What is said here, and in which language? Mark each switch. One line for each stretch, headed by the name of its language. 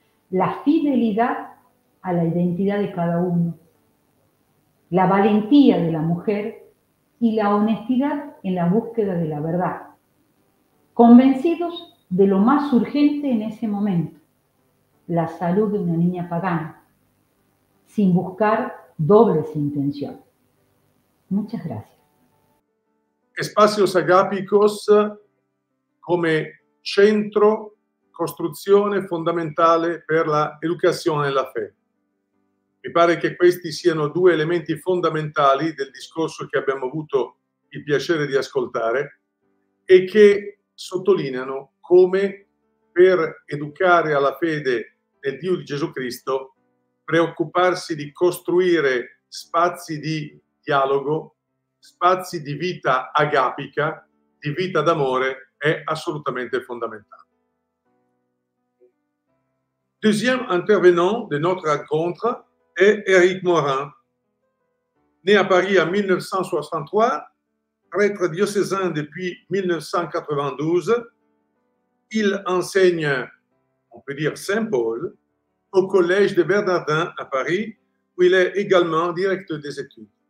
Spanish: La fidelidad a la identidad de cada uno, la valentía de la mujer y la honestidad en la búsqueda de la verdad, convencidos de lo más urgente en ese momento, la salud de una niña pagana, sin buscar dobles intenciones. Muchas gracias. Espacios agápicos
Italian: come centro, costruzione fondamentale per la educazione nella fede. Mi pare che questi siano due elementi fondamentali del discorso che abbiamo avuto il piacere di ascoltare e che sottolineano come per educare alla fede nel Dio di Gesù Cristo, preoccuparsi di costruire spazi di dialogo, spazi di vita agapica, di vita d'amore, è assolutamente fondamentale.
French: Deuxième intervenant de notre rencontre est Éric Morin. Né à Paris en 1963, prêtre diocésain depuis 1992, il enseigne, on peut dire Saint-Paul, au Collège des Bernardins à Paris, où il est également directeur des études.